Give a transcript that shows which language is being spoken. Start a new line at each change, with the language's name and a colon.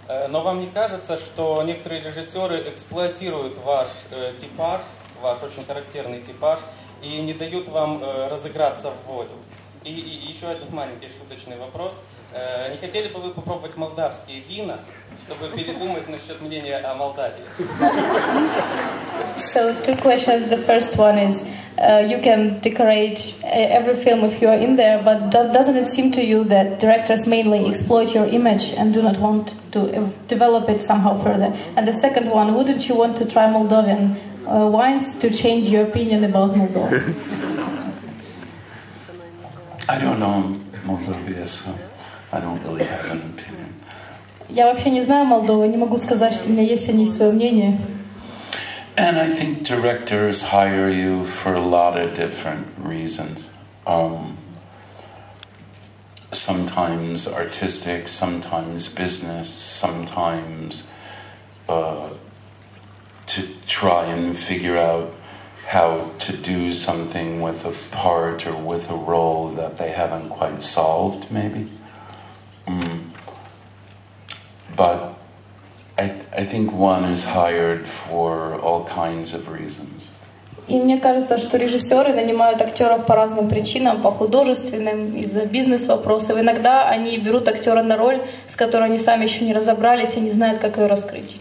Russian: Но вам не кажется, что некоторые режиссеры эксплуатируют ваш типаж, ваш очень характерный типаж, и не дают вам разыграться в волю? И еще один маленький шуточный вопрос. Не хотели бы вы попробовать молдавские вина, чтобы передумать насчет мнения о Молдавии?
English: So, two questions. The first one is... you can decorate every film if you are in there, but doesn't it seem to you that directors mainly exploit your image and do not want to develop it somehow further? And the second one, wouldn't you want to try Moldovan wines to change your opinion about Moldova? I don't know Moldova, so I don't really have an opinion.
Russian: Я вообще не знаю Молдову, не могу сказать, что у меня есть о ней свое мнение.
English: And I think directors hire you for a lot of different reasons. Sometimes artistic, sometimes business, sometimes to try and figure out how to do something with a part or with a role that they haven't quite solved, maybe. But I think one is hired for all kinds of reasons.
Russian: И мне кажется, что режиссеры нанимают актеров по разным причинам, по художественным, из-за бизнес-вопросов. Иногда они берут актера на роль, с которой они сами еще не разобрались и не знают, как ее раскрыть.